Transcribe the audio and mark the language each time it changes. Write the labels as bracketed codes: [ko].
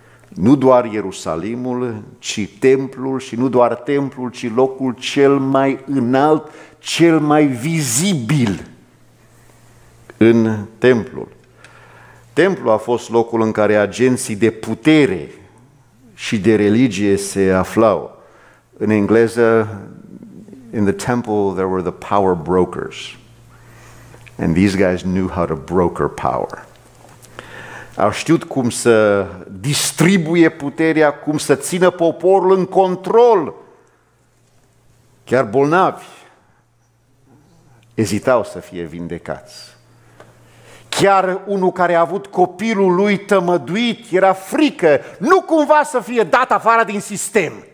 [ro] Nu doar Ierusalimul, ci templul, și nu doar templul, ci locul cel mai înalt, cel mai vizibil în templul. Templul a fost locul în care agenții de putere și de religie se aflau. În engleză, [en] in the temple there were the power brokers. And these guys knew how to broker power. [ro] Au știut cum să distribuie puterea, cum să țină poporul în control. Chiar bolnavi ezitau să fie vindecați. Chiar unul care a avut copilul lui tămăduit era frică, nu cumva să fie dat afară din sistem.